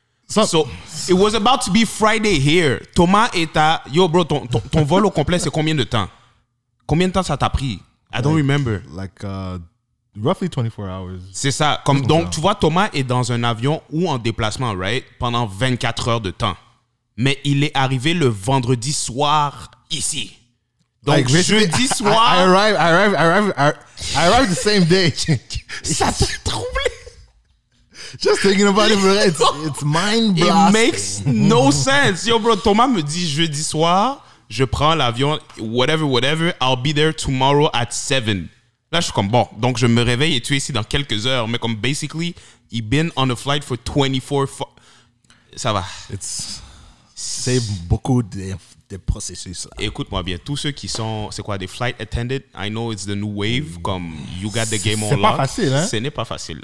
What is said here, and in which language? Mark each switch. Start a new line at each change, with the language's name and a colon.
English: So, it was about to be Friday here.
French: Thomas est à... Yo, bro, ton vol au complet, c'est combien de temps? Combien de temps ça t'a pris?
English: I don't remember. Roughly 24 hours.
French: C'est ça. Tu vois, Thomas est dans un avion ou en déplacement,
English: right?
French: Pendant 24 heures de temps. Mais il est arrivé le vendredi soir ici. Donc, like, jeudi soir...
English: I arrive the same day.
French: Ça t'a troublé.
English: Just thinking about it, bro. It's mind blasting. It makes no sense. Yo, bro,
French: Thomas me dit jeudi soir, je prends l'avion,
English: whatever, I'll be there tomorrow at 7.
French: Là, je suis comme, bon, donc je me réveille et tu es ici dans quelques heures. Mais comme,
English: basically, he been on a flight for 24...
French: Ça va. C'est beaucoup de processus. Là. Écoute-moi bien, tous ceux qui sont, c'est quoi, des
English: flight attendants, I know it's the new wave, comme you got the game on lock.
French: C'est pas facile, hein? Ce n'est pas facile.